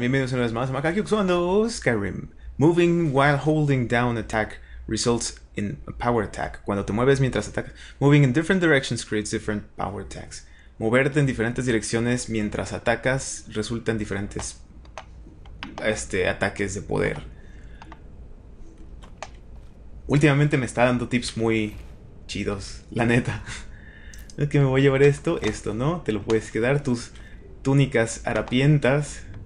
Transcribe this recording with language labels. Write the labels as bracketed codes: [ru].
[es] Bienvenidos una vez más a Macaque usando Skyrim. [en] Moving while holding down attack results in a power attack. [es] Cuando te mueves mientras atacas. [en] Moving in different directions creates different power attacks. [es] Moverte en diferentes direcciones mientras atacas resulta en diferentes ataques de poder. Últimamente me está dando tips muy chidos, la neta. Es que me voy a llevar esto, esto, ¿no? Te lo puedes quedar, tus túnicas harapientas.